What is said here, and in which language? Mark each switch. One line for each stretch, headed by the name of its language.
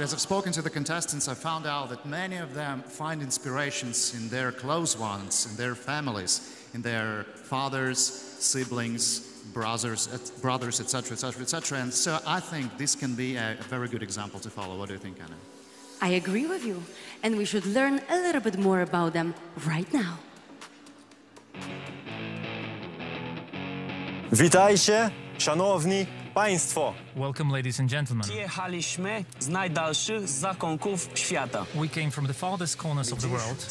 English: As I've spoken to the contestants, I found out that many of them find inspirations in their close ones, in their families, in their fathers, siblings, brothers, etc., etc., etc. And so I think this can be a very good example to follow. What do you think, Anna? I agree with you. And we should learn a little bit more about them right now.
Polish: Witajcie, szanowni państwo.
English: Welcome, ladies and gentlemen.
Polish: Przyjechaliśmy z najdalszych zakątków świata.
English: We came from the farthest corners of the world.